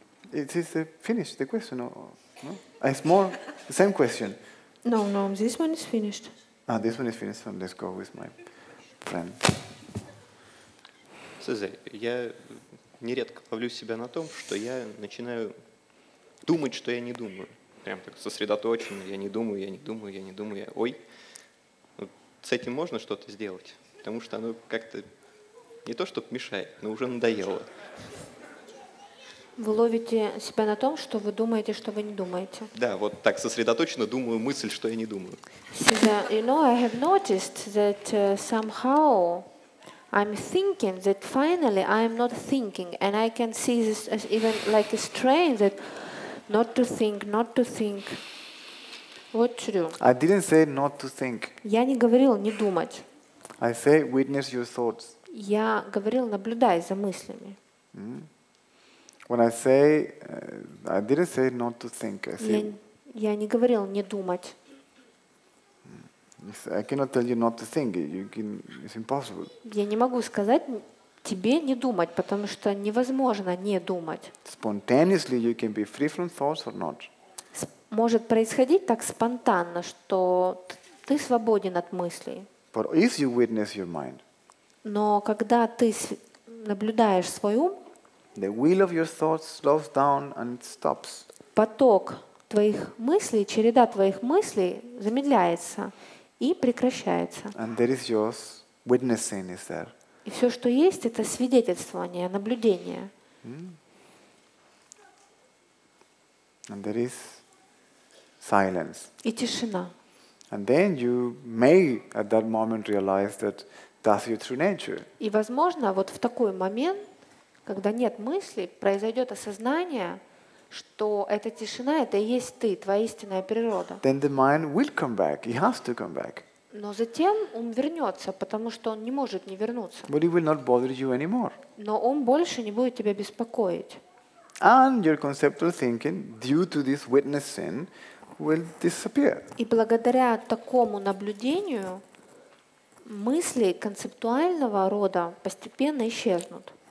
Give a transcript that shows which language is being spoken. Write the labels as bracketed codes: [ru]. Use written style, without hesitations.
[en] It is the finish the question or no? It's more the same question. No, no, this one is finished. Ah, this one is finished, so let's go with my friend. [ru] Слушай, я нередко ловлю себя на том, что я начинаю думать, что я не думаю. Прям так сосредоточенно, я не думаю, я не думаю, я не думаю, я... Ой, вот с этим можно что-то сделать? Потому что оно как-то не то, чтобы мешает, но уже надоело. Вы ловите себя на том, что вы думаете, что вы не думаете. Да, вот так сосредоточенно думаю мысль, что я не думаю. [en] You know, I have noticed that somehow I'm thinking that finally I'm not thinking. And I can see this as even like a strain that not to think, not to think. What to do? I didn't say not to think. [ru] Я не говорил не думать. [en] I say witness your thoughts. [ru] Я говорил наблюдай за мыслями. [en] When I say, I didn't say not to think. I said. [ru] Я не говорил не думать. [en] I cannot tell you not to think. You can. It's impossible. [ru] Я не могу сказать тебе не думать, потому что невозможно не думать. [en] Spontaneously you can be free from thoughts or not. [ru] Может происходить так спонтанно, что ты свободен от мыслей. [en] But if you witness your mind. [ru] Но когда ты наблюдаешь свой ум. [en] The wheel of your thoughts slows down and stops. [ru] Поток твоих мыслей, череда твоих мыслей замедляется и прекращается. [en] And there is yours, witnessing is there. [ru] И все, что есть, это свидетельствование, наблюдение. [en] And there is silence. [ru] И тишина. [en] And then you may at that moment realize that that's your true nature. [ru] И возможно, вот в такой момент. Когда нет мысли, произойдет осознание, что эта тишина это и есть ты, твоя истинная природа. [en] Then the mind will come back. It has to come back. [ru] Но затем ум вернется, потому что он не может не вернуться. [en] But it will not bother you anymore. [ru] Но ум больше не будет тебя беспокоить. [en] And your conceptual thinking, due to this witnessing, will disappear. [ru] И благодаря такому наблюдению мысли концептуального рода постепенно исчезнут.